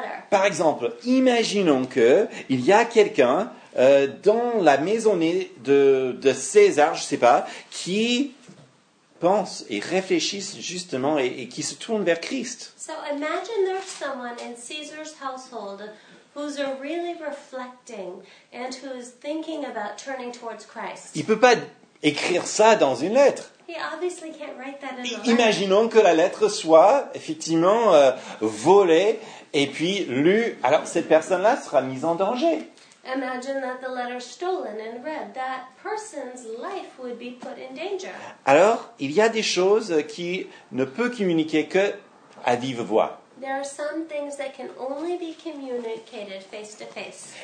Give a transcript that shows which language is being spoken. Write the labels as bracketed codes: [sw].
[fr] Par exemple, imaginons qu'il y a quelqu'un dans la maisonnée de César, je ne sais pas, qui pense et réfléchit justement et qui se tourne vers Christ. [en] So imagine there's someone in Caesar's household who's really reflecting and who's thinking about turning towards Christ. [fr] Il peut pas écrire ça dans une lettre. [en] He obviously can't write that in a letter. [fr] Imaginons que la lettre soit effectivement volée et puis lue. Alors cette personne-là sera mise en danger. [en] Imagine that the letter stolen and read. That person's life would be put in danger. [fr] Alors, il y a des choses qui ne peuvent communiquer que à vive voix. [en] There are some things that can only be communicated face to face.